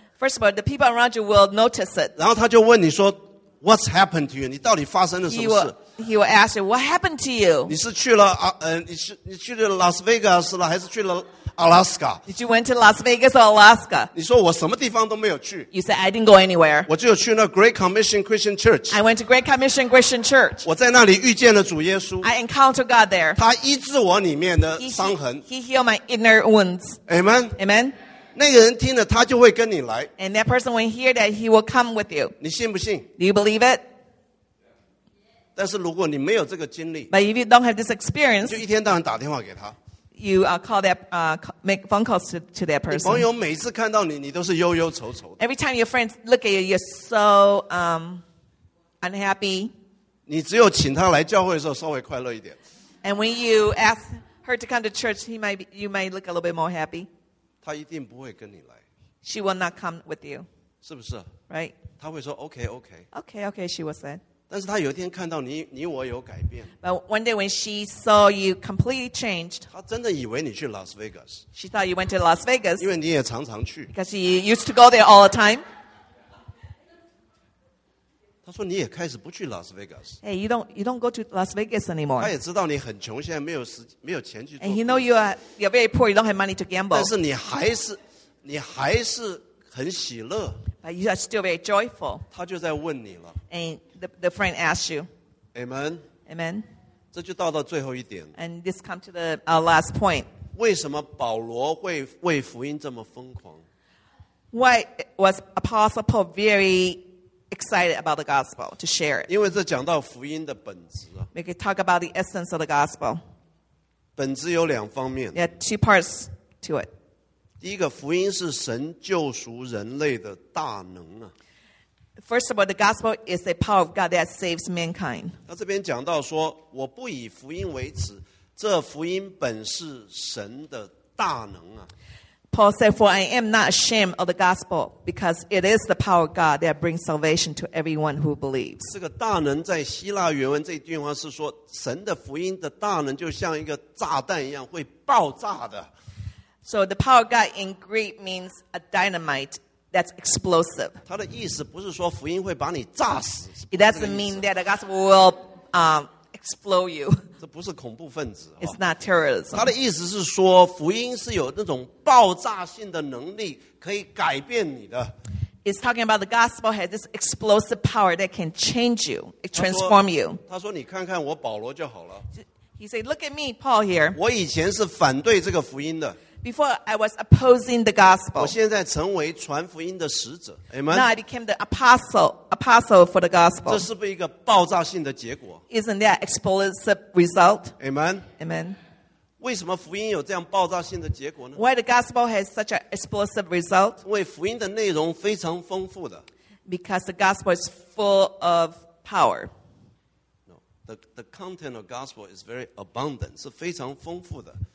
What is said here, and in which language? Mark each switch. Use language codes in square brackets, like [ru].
[en] first of all, the people around you will notice it. [zh] 然后他就问你说, [en] what's happened to you? [zh] 你到底发生了什么事? [en] He will ask you, what happened to you? [zh] 你去了 Las Vegas 了, 还是去了 Alaska? [en] Did you went to Las Vegas or Alaska? [zh] 你说我什么地方都没有去? [en] You said, I didn't go anywhere. [zh] 我就去那 Great Commission Christian Church. [en] I went to Great Commission Christian Church. [zh] 我在那里遇见了主耶稣。 [en] I encountered God there. [zh] 他医治我里面的伤痕。 [en] He healed my inner wounds. Amen. Amen. [zh] 那个人听了他就会跟你来。 [en] And that person will hear that he will come with you. [zh] 你信不信? [en] Do you believe it? [zh] 但是如果你没有这个经历, [en] but if you don't have this experience, [zh] 就一天到晚打电话给他, [en] you call that, make phone calls to that person. [zh] 你朋友每次看到你, 你都是忧忧愁愁, [en] every time your friends look at you, you're so unhappy. [zh] 你只有请他来教会的时候稍微快乐一点, [en] and when you ask her to come to church, he might be, you might look a little bit more happy. [zh] 他一定不会跟你来, [en] she will not come with you. [zh] 是不是? [en] Right? [zh] 他会说, okay, okay. [en] Okay, okay, she will say. [zh] 但是他有一天看到你我有改变, [en] but one day when she saw you completely changed, [zh] 她真的以为你去Las Vegas, [en] she thought you went to Las Vegas, [zh] 因为你也常常去, [en] because you used to go there all the time. [zh] 她说你也开始不去Las Vegas, [en] hey, you don't go to Las Vegas anymore. [zh] 她也知道你很穷, 现在没有钱去做, [en] and you know you're very poor, you don't have money to gamble. [zh] 但是你还是很喜乐, [en] but you are still very joyful. [zh] 她就在问你了, [en] and the friend asked you. Amen. Amen. [zh] 这就到了最后一点, [en] and this comes to the last point. [zh] 为什么保罗会为福音这么疯狂? [en] Why was Apostle Paul very excited about the gospel to share it? [zh] 因为这讲到福音的本质啊, [en] we can talk about the essence of the gospel. [zh] 本质有两方面, [en] there are two parts to it. [zh] 第一个, 福音是神救赎人类的大能啊, [en] first of all, the gospel is the power of God that saves mankind. [zh] 他这边讲到说, 我不以福音为耻, 这福音本是神的大能啊。 [en] Paul said, for I am not ashamed of the gospel, because it is the power of God that brings salvation to everyone who believes. [zh] 这个大能在希腊原文这句话是说, 神的福音的大能就像一个炸弹一样, 会爆炸的。 [en] So the power of God in Greek means a dynamite that's explosive. [zh] 他的意思不是说福音会把你炸死, [en] it doesn't mean that the gospel will explode you. [zh] 这不是恐怖分子, [en] it's not terrorism. [zh] 他的意思是说福音是有那种爆炸性的能力, 可以改变你的。 [en] It's talking about the gospel has this explosive power that can change you, it transform you. [zh] 他说你看看我保罗就好了。 [en] He said, look at me, Paul here. [zh] 我以前是反对这个福音的。 [en] Before I was opposing the gospel. [zh] 我现在成为传福音的使者, amen? [en] Now I became the apostle for the gospel. [zh] 这是不是一个爆炸性的结果? [en] Isn't that explosive result? Amen. Amen. [zh] 为什么福音有这样爆炸性的结果呢? [en] Why the gospel has such an explosive result? [zh] 因为福音的内容非常丰富的。 [en] Because the gospel is full of power. No, the content of gospel is very abundant, [zh] 是非常丰富的。